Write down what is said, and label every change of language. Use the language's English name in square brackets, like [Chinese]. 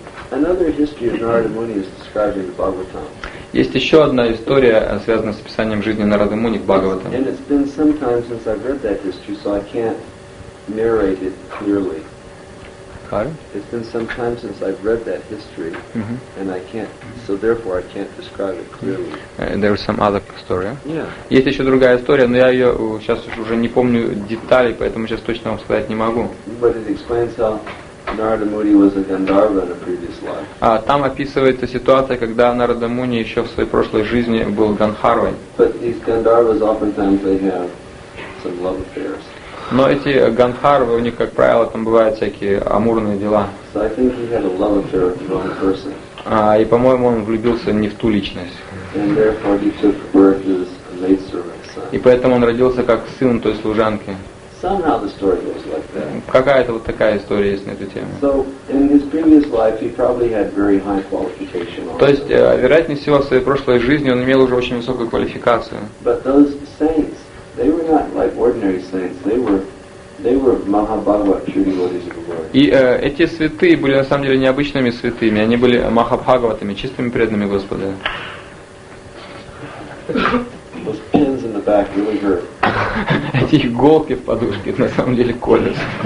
[English] Another history of Narada Muni is described in the Bhagavatam. [Russian] Есть еще одна история, связанная с описанием жизни Нарады Муни в Бхагаватам. [English] And it's been some time since I've read that history, so I can't narrate it clearly. Pardon? It's been some time since I've read that history, and I can't, so therefore I can't describe it clearly. And there is some other story. Yeah. [Russian] Есть еще другая история, но я ее сейчас уже не помню деталей, поэтому сейчас точно вам сказать не могу. [English] But it explains how Narada Muni was a Gandharva in a previous life. [Russian] Там описывается ситуация, когда Нарада Муни еще в своей прошлой жизни был Гандхарвой. [English] But these Gandharvas oftentimes they have some love affairs. [Russian] Но эти Гандхарвы, у них, как правило, там бывают всякие амурные дела. [English] So I think he had a love affair with the wrong person. [Russian] И, по-моему, он влюбился не в ту личность. [English] And therefore he took birth as a maidservant son. [Russian] И поэтому он родился как сын той служанки. [English] Somehow the story goes like that. [Russian] Какая-то вот такая история есть на эту тему. [English] So in his previous life he probably had very high qualification. Also. [Russian] То есть, вероятнее всего, в своей прошлой жизни он имел уже очень высокую квалификацию. [English] But those saints, they were not like ordinary saints. They were Mahabhagavat true devotees of the Lord. [Russian] И эти святые были на самом деле необычными святыми. Они были Махабхагаватами, чистыми преданными Господа. [English] Those pins in the back really hurt. [Russian] Эти иголки в подушке на самом деле колют.